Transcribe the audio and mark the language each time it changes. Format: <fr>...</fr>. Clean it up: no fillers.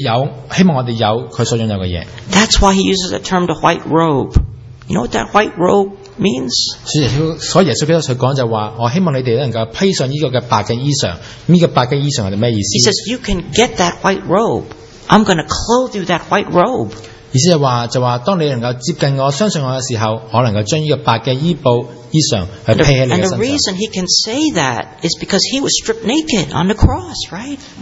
<zh>耶稣基督就是想希望我们能够，他有，希望我们有他所拥有的东西。</zh> <en>That's why he uses the term the white robe. You know what that white robe means?</en> <zh>所以耶稣基督所说就是说，我希望你们能够披上这个白的衣裳。这个白的衣裳是什么意思？</zh> <en>He says, you can get that white robe. I'm going to clothe you that white robe.</en> <zh>意思是说，当你能够接近我，相信我的时候，我能够将这个白的衣裳去披在你的身上。</zh> <en>And the reason he can say that is because he was stripped naked on the cross, right?</en>